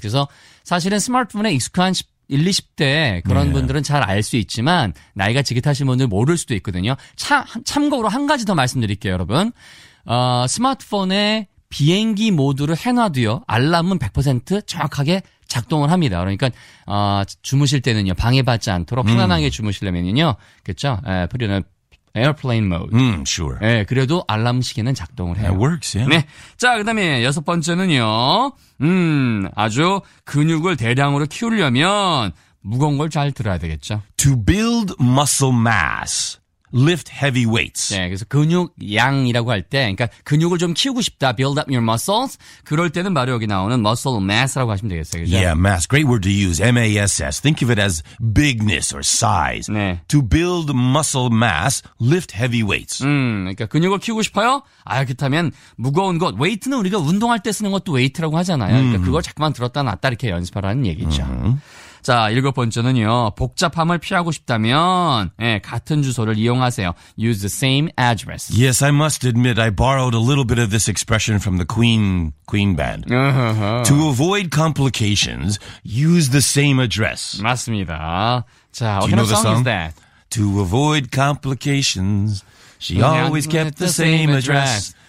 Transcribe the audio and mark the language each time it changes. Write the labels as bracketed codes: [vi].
[ko] 그래서 사실은 스마트폰에 익숙한 1, 20대 그런 yeah. 분들은 잘 알 수 있지만 나이가 지긋하신 분들 모를 수도 있거든요. 참고로 한 가지 더 말씀드릴게요, 여러분. 스마트폰에 비행기 모드를 해놔도요. 알람은 100% 정확하게 작동을 합니다. 그러니까 주무실 때는요. 방해받지 않도록 편안하게 주무시려면요. 그렇죠? 에어플레인 모드. [en] Sure. [ko] 예, 그래도 알람 시계는 작동을 해요. [en] That works, yeah. [ko] 네. 자, 그다음에 여섯 번째는요. 아주 근육을 대량으로 키우려면 무거운 걸 잘 들어야 되겠죠. [en] To build muscle mass, lift heavy weights. [ko] 네, 그래서 근육량이라고 할 때, 그러니까 근육을 좀 키우고 싶다, [en] build up your muscles. [ko] 그럴 때는 바로 여기 나오는 muscle mass라고 하시면 되겠어요. 그죠? [en] Yeah, mass. Great word to use. M-A-S-S. Think of it as bigness or size. [ko] 네. [en] To build muscle mass, lift heavy weights. [ko] 그러니까 근육을 키우고 싶어요? 아, 그렇다면 무거운 것. 웨이트는 우리가 운동할 때 쓰는 것도 웨이트라고 하잖아요. 그러니까 그걸 자꾸만 들었다 놨다 이렇게 연습하라는 얘기죠. 자, 일곱 번째는요. 복잡함을 피하고 싶다면 예, 같은 주소를 이용하세요. [en] Use the same address. Yes, I must admit I borrowed a little bit of this expression from the Queen band. To avoid complications, use the same address. [ko] 맞습니다. [en] 자, what kind of song is that? To avoid complications, she always kept the same address.